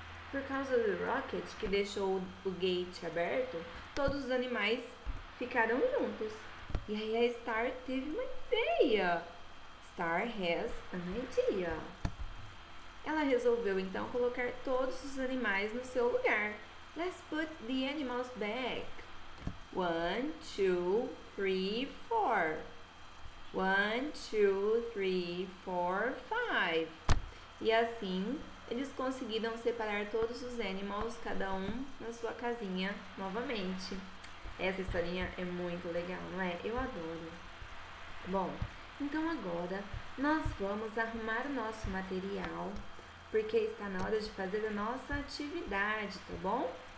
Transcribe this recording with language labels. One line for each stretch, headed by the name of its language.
Portuguese: Por causa do Rocket, que deixou o gate aberto, todos os animais ficaram juntos. E aí, a Star teve uma ideia.
English: Star has an idea.
Portuguese: Ela resolveu, então, colocar todos os animais no seu lugar.
English: Let's put the animals back. One, two, three, four. One, two, three, four, five.
Portuguese: E assim, eles conseguiram separar todos os animais, cada um na sua casinha, novamente. Essa historinha é muito legal, não é? Eu adoro. Bom, então agora nós vamos arrumar o nosso material, porque está na hora de fazer a nossa atividade, tá bom?